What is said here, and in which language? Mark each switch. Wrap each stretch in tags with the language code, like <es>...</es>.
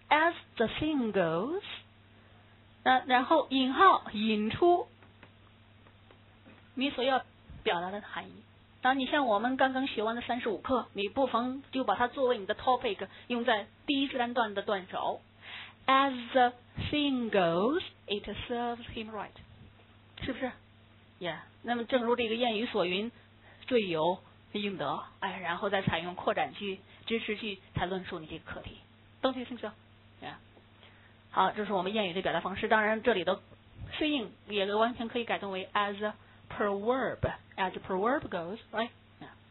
<en>As the saying goes，</en> <zh>然后引号引出你所要表达的含义。当你像我们刚刚学完的35课，你不妨就把它作为你的 topic 用在第一自然段的段首。</zh> <en>As the thing goes, it serves him right，</en> <zh>是不是？ Yeah， 那么正如这个谚语所云，罪有应得，然后再采用扩展句支持句才论述你这个课题。</zh> <en>Don't you think so？ Yeah，</en> <zh>好，这是我们谚语的表达方式。当然这里的适应也完全可以改动为</zh> <en>as a proverb goes， right？ Yeah。</en>